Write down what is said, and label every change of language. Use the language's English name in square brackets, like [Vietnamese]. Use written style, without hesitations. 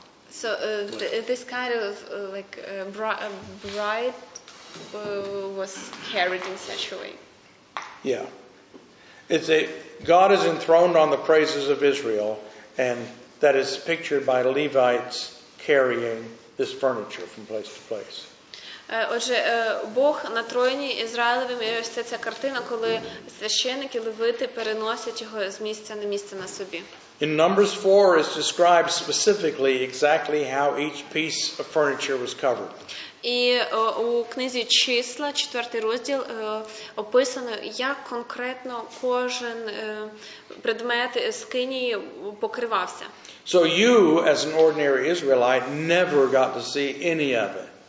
[English] So this kind of like bride was carried in such a way. Yeah. It's a God is enthroned on the praises of Israel, and that is pictured by Levites carrying this furniture from place to place. [Ukrainian] Отже, Бог на троні Ізраїлевим, і ось це ця картина, коли священники, левити переносять його з місця на місце на собі. [English] In Numbers 4 is described specifically exactly how each piece of furniture was covered. [Ukrainian] І у книзі Числа, 4 розділ, описано, як конкретно кожен предмет з кинії покривався. [English] So you, as an ordinary Israelite, never got to see any of it.